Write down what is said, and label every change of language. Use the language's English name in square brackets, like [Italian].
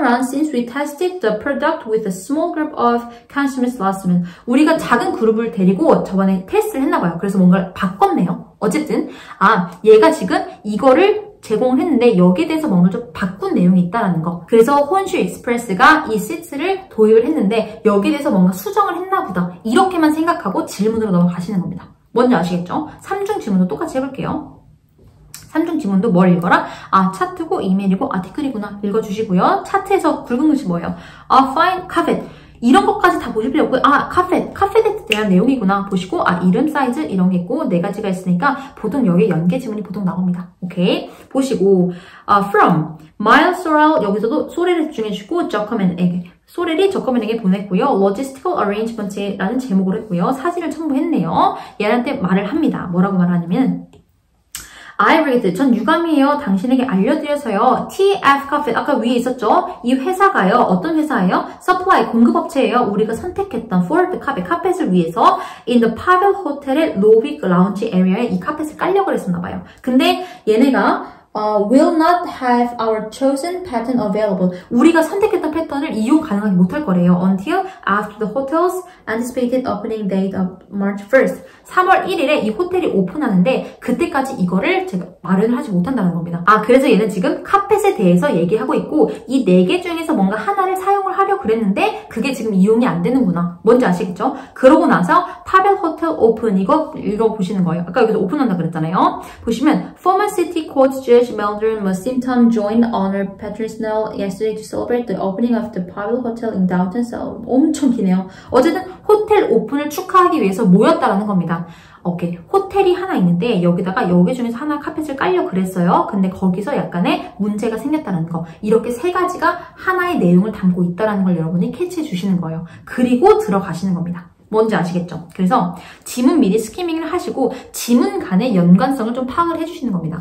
[English] Since we tested the product with a small group of consumers last month. [Korean] 우리가 작은 그룹을 데리고 저번에 테스트를 했나 봐요. 그래서 뭔가를 바꿨네요. 어쨌든 아 얘가 지금 이거를 제공을 했는데 여기에 대해서 뭔가 좀 바꾼 내용이 있다라는 거. 그래서 혼슈 익스프레스가 이 시트를 도입을 했는데 여기에 대해서 뭔가 수정을 했나 보다. 이렇게만 생각하고 질문으로 넘어가시는 겁니다. 뭔지 아시겠죠? 3중 질문도 똑같이 해볼게요. 3중 질문도 뭘 읽어라? 아, 차트고 이메일이고 아티클이구나. 읽어주시고요. 차트에서 굵은 글씨 뭐예요? 아, fine, carpet. 이런 것까지 다 보실 필요 없고 아 카펫에 대한 내용이구나 보시고 아 이름 사이즈 이런 게 있고 네 가지가 있으니까 보통 여기 연계 지문이 보통 나옵니다. 오케이 보시고 from Miles Sorrell 여기서도 소렐을 집중해주시고 저커맨에게 소렐이 저커맨에게 보냈고요. Logistical Arrangement라는 제목으로 했고요. 사진을 첨부했네요. 얘한테 말을 합니다. 뭐라고 말하냐면 [English] I regret it. [Korean] 전 유감이에요. 당신에게 알려드려서요. TF Coffee. 아까 위에 있었죠? 이 회사가요. 어떤 회사예요? Supply. 공급업체예요. 우리가 선택했던 [English] for the carpet. [Korean] 카펫을 위해서 in the Pavel Hotel의 [English] lobby lounge area [Korean] 에 이 카펫을 깔려고 그랬었나 봐요. 근데 얘네가 [English] will not have our chosen pattern available. [Korean] 우리가 선택했던 패턴을 이용 가능하지 못할 거래요. [English] Until after the hotel's anticipated opening date of March 1st. [Korean] 3월 1일에 이 호텔이 오픈하는데 그때까지 이거를 제가 마련을 하지 못한다는 겁니다. 아, 그래서 얘는 지금 카펫에 대해서 얘기하고 있고 이 네 개 중에서 뭔가 하나를 사용을 하려 그랬는데 그게 지금 이용이 안 되는구나. 뭔지 아시겠죠? 그러고 나서 파벨 호텔 오픈 이거 읽어보시는 거예요. 아까 여기서 오픈한다 그랬잖아요. 보시면 [English] Former City Coach Judge Meldrum Massimton joined Honor Patricial yesterday to celebrate the opening of the Pavel Hotel in downtown Seoul. [Korean] 엄청 기네요. 어쨌든 호텔 오픈을 축하하기 위해서 모였다라는 겁니다. 오케이. 호텔이 하나 있는데 여기다가 여기 중에서 하나 카펫을 깔려 그랬어요. 근데 거기서 약간의 문제가 생겼다는 거. 이렇게 세 가지가 하나의 내용을 담고 있다는 걸 여러분이 캐치해 주시는 거예요. 그리고 들어가시는 겁니다. 뭔지 아시겠죠? 그래서 지문 미리 스키밍을 하시고 지문 간의 연관성을 좀 파악을 해주시는 겁니다.